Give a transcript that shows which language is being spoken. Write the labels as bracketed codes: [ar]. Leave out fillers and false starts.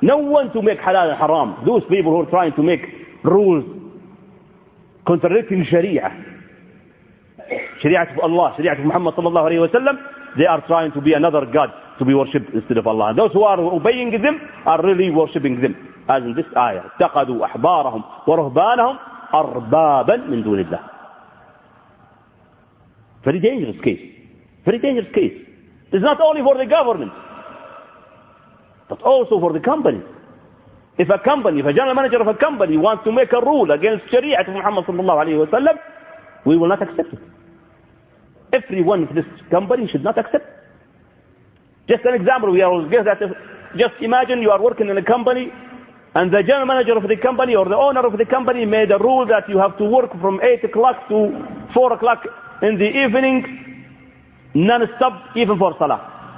[en] No one to make halal and haram. Those people who are trying to make rules contradicting Sharia, Sharia of Allah, Sharia of Muhammad sallallahu alayhi wa sallam, they are trying to be another God to be worshipped instead of Allah. And those who are obeying them are really worshipping them. As in this ayah, [ar] اتخذوا أحبارهم ورهبانهم أربابا من دون الله. [en] Very dangerous case. Very dangerous case. It's not only for the government, but also for the company. If a company, if a general manager of a company wants to make a rule against Sharia of Muhammad sallallahu alayhi wa sallam, we will not accept it. Everyone in this company should not accept. Just an example, we are guess that if, just imagine you are working in a company, and the general manager of the company or the owner of the company made a rule that you have to work from 8 o'clock to 4 o'clock in the evening, non-stop, even for Salah.